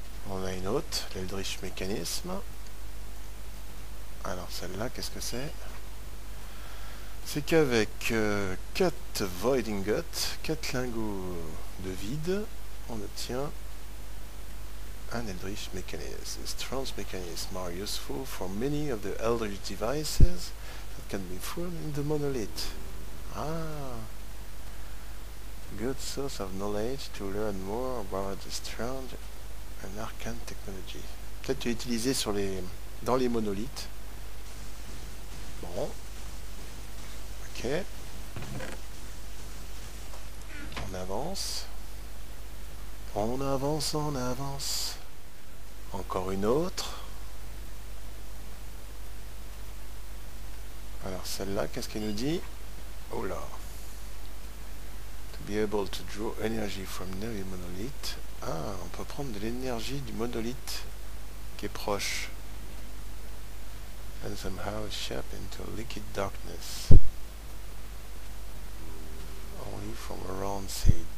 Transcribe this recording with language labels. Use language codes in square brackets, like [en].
[fr] On a une autre, l'Eldritch Mécanisme. Alors celle-là, qu'est-ce que c'est? C'est qu'avec 4 Void Ingots, 4 lingots de vide, on obtient un Eldritch Mécanisme. [en] This trance mechanism are useful for many of the Eldritch devices that can be found in the monolith. Ah! Good source of knowledge to learn more about the strange and arcane technology. [fr] Peut-être utilisé sur les dans les monolithes. Bon. Ok. On avance. On avance, on avance. Encore une autre. Alors celle-là, qu'est-ce qu'elle nous dit? Oh là. [en] Be able to draw energy from near the monolith. [fr] Ah, on peut prendre de l'énergie du monolithe qui est proche. [en] And somehow shape into liquid darkness. Only from around seed.